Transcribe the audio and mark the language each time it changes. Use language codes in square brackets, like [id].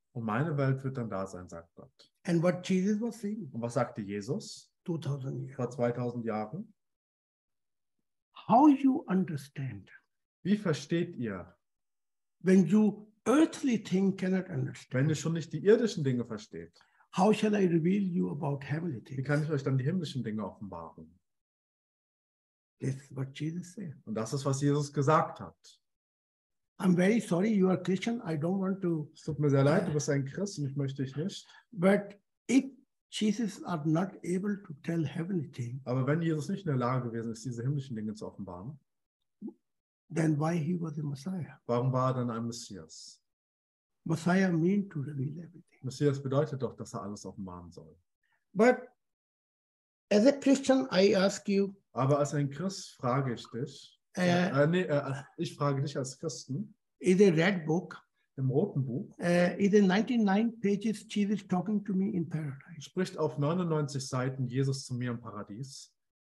[de] Und meine Welt wird dann da sein, sagt Gott. [en] And what Jesus was saying, [de] und was sagte Jesus [en] 2000 years. [de] Vor 2000 Jahren? [en] How you understand, [de] wie versteht ihr, [en] when you earthly thing cannot understand. [de] Wenn ihr schon nicht die irdischen Dinge versteht, [en] how shall I reveal you about heavenly things? [de] Wie kann ich euch dann die himmlischen Dinge offenbaren? [en] That's what Jesus said. [de] Und das ist, was Jesus gesagt hat. [en] I'm very sorry, you are Christian. I don't want to. [de] Es tut mir sehr leid, du bist ein Christ und ich möchte dich nicht. [en] But if Jesus are not able to tell heavenly things, [de] aber wenn Jesus nicht in der Lage gewesen ist, diese himmlischen Dinge zu offenbaren, [en] then why he was a Messiah? [de] Warum war er dann ein Messias? [en] Messiah mean to reveal everything. [de] Messias bedeutet doch, dass er alles offenbaren soll. [en] But as a Christian, I ask you. [de] Aber als ein Christ frage ich dich. Ich frage dich als Christen. [en] In a red book. [de] Im roten Buch. [en] In the 99 pages, Jesus talking to me in paradise. [de] Spricht auf 99 Seiten Jesus zu mir im Paradies.